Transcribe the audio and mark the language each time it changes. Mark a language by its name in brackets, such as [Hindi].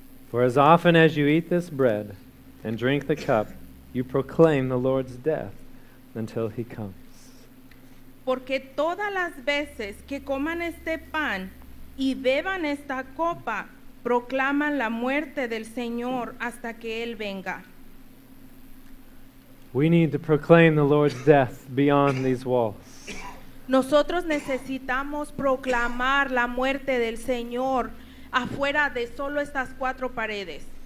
[English] "For as often as you eat this bread and drink the cup, you proclaim the Lord's death until he comes." [Spanish] Porque todas las veces que coman este pan y beban esta copa, proclaman la muerte del Señor hasta que él venga. [English] We need to proclaim the Lord's death beyond these walls. [Spanish] Nosotros necesitamos proclamar la muerte del Señor afuera de solo estas cuatro paredes.